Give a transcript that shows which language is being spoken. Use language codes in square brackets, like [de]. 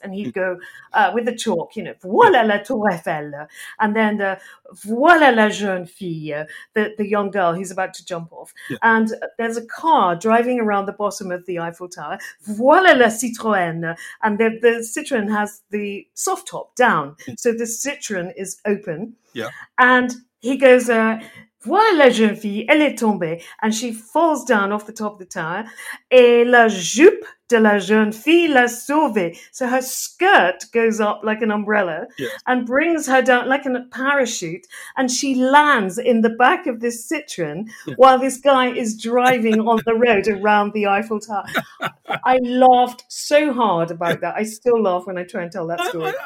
[en] And he'd go with the chalk, you know, [fr] voilà la Tour Eiffel. [en] And then the [fr] voilà la jeune fille, [en] the young girl who's about to jump off. Yeah. And there's a car driving around the bottom of the Eiffel Tower. [fr] Voilà la Citroën. [en] And the Citroën has the soft top down. So the Citroën is open. Yeah. And he goes, [fr] voilà la jeune fille, elle est tombée. [en] And she falls down off the top of the tower. [fr] Et la jupe de la jeune fille l'a sauvée. [en] So her skirt goes up like an umbrella and brings her down like a parachute. And she lands in the back of this Citroën while this guy is driving on the road around the Eiffel Tower. I laughed so hard about that. I still laugh when I try and tell that story.